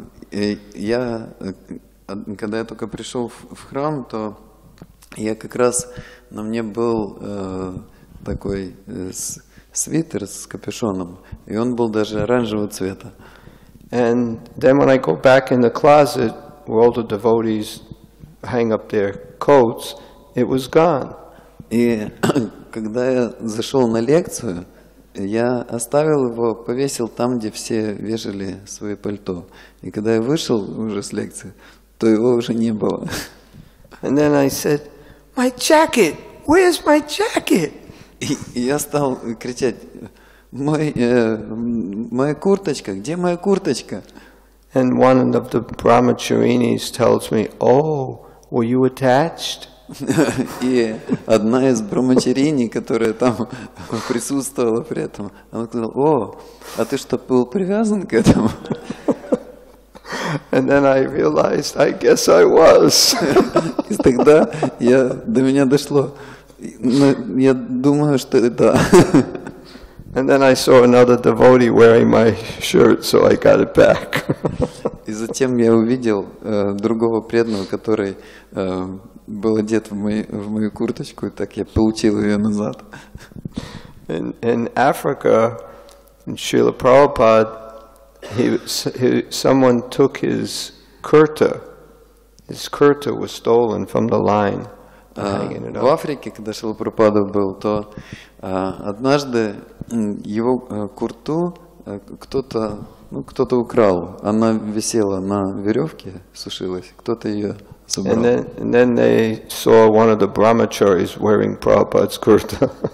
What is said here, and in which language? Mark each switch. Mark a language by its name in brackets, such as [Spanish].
[Russian] Я когда я только пришел в храм, то я как раз на мне был такой свитер с капюшоном, и он был даже оранжевого цвета. [English] And then when I go back in the closet where all the devotees hang up their coats, it was gone. [Russian] И когда я зашел на лекцию, я оставил его, повесил там, где все вешали свои пальто. И когда я вышел уже с лекции, то его уже не было. [English] And then I said, my jacket, where's my jacket? [Russian] И я стал кричать, моя курточка, где моя курточка? [English] And one of the brahmacharinis tells me, oh, were you attached? [Russian] И одна из брамачарини, которая там присутствовала при этом, она сказала, о, а ты что, был привязан к этому? [English] And then I realized, I guess I was. [Russian] И тогда я, до меня дошло, я думаю, что да. [English] And then I saw another devotee wearing my shirt, so I got it back. [Russian] И затем я увидел другого преданного, который был одет в мою курточку, и так я получил ее назад. [English] In Africa, in Srila Prabhupada, someone took his kurta. His kurta was stolen from the line. [Russian] В Африке, когда Шрила Прабхупада был, то однажды его курту кто-то, ну, кто-то украл. Она висела на веревке, сушилась, кто-то ее забрал. [English] And then they saw one of the brahmacharis wearing Prabhupada's kurta.